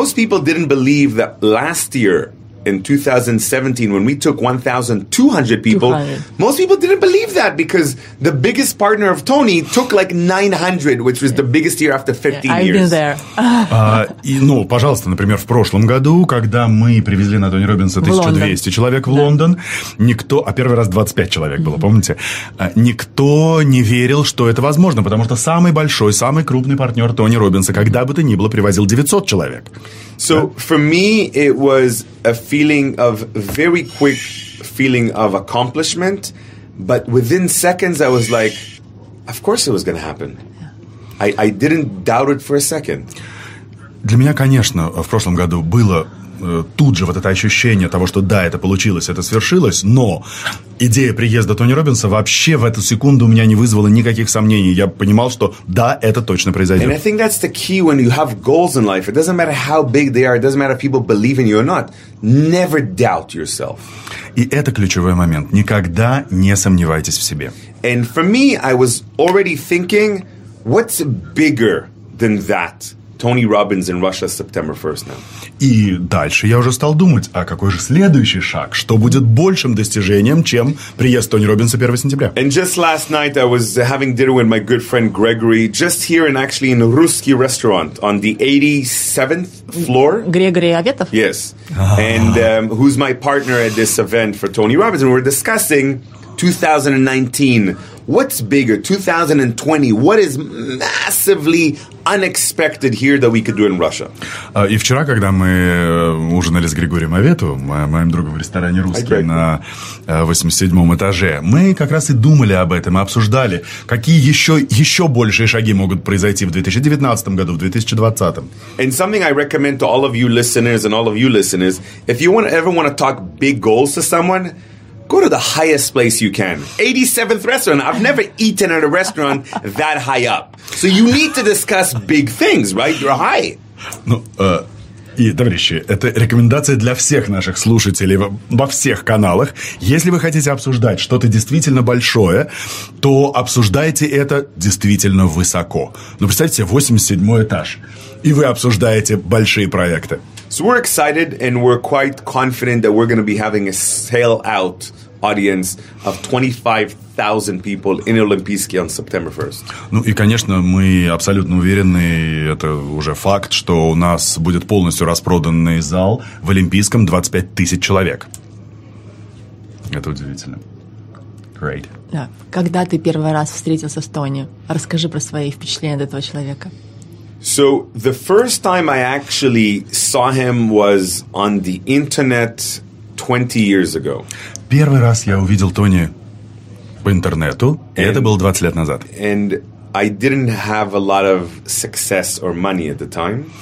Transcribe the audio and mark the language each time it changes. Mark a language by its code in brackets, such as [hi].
[en] Most people didn't believe that last year in 2017, when we took 1,200 people, 200. Most people didn't believe that because the biggest partner of Tony took like 900, which was the biggest year after 15 I've years. I've been there. [ru] пожалуйста, например, в прошлом году, когда мы привезли на Тони Робинса 1200 человек в Лондон, никто, а первый раз 25 человек было, помните? Никто не верил, что это возможно, потому что самый большой, самый крупный партнер Тони Робинса, когда бы то ни было, привозил 900 человек. [en] So for me, it was a feeling of very quick feeling of accomplishment, but within seconds I was like, of course it was going to happen. I didn't doubt it for a second. [ru] Для меня, конечно, в прошлом году было тут же вот это ощущение того, что да, это получилось, это свершилось, но идея приезда Тони Робинса вообще в эту секунду у меня не вызвала никаких сомнений. Я понимал, что да, это точно произойдет. [en] And I think that's the key when you have goals in life. It doesn't matter how big they are, it doesn't matter if people believe in you or not. Never doubt yourself. [ru] И это ключевой момент. Никогда не сомневайтесь в себе. [en] And for me, I was already thinking, what's bigger than that? Tony Robbins in Russia September 1st now. [ru] И дальше я уже стал думать, а какой же следующий шаг? Что будет большим достижением, чем приезд Тони Робинса 1 сентября? [en] And just last night I was having dinner with my good friend Gregory just here and actually in a русский restaurant on the 87th floor. [ru] Грегори Аветов? [en] Yes. And who's my partner at this event for Tony Robbins. And we were discussing 2019. What's bigger, 2020? What is massively unexpected here that we could do in Russia? [ru] И вчера, когда мы ужинали с Григорием Аветовым, моим другом в ресторане «Русский» на 87-м этаже, мы как раз и думали об этом, мы обсуждали, какие еще большие шаги могут произойти в 2019 году, в 2020. [en] And something I recommend to all of you listeners and all of you listeners, if you ever want to talk big goals to someone, go to the highest place you can. 87th restaurant. I've never eaten at a restaurant that high up. So you need to discuss big things, right? You're high. [ru] Ну, и, товарищи, это рекомендация для всех наших слушателей во всех каналах. Если вы хотите обсуждать что-то действительно большое, то обсуждайте это действительно высоко. Ну, представьте себе, 87-й этаж, и вы обсуждаете большие проекты. [en] So we're excited and we're quite confident that we're going to be having a sell-out audience of 25,000 people in Olympiski on September 1st. [ru] Ну и, конечно, мы абсолютно уверены, это уже факт, что у нас будет полностью распроданный зал в Олимпийском 25 тысяч человек. Это удивительно. [en] Great. [ru] Да. Когда ты первый раз встретился с Тони? Расскажи про свои впечатления от этого человека. [en] So the first time I actually saw him was on the internet 20 years ago. [ru] Первый раз я увидел Тони по интернету, и это было 20 лет назад. [en] And I didn't have a lot of success or money at the time.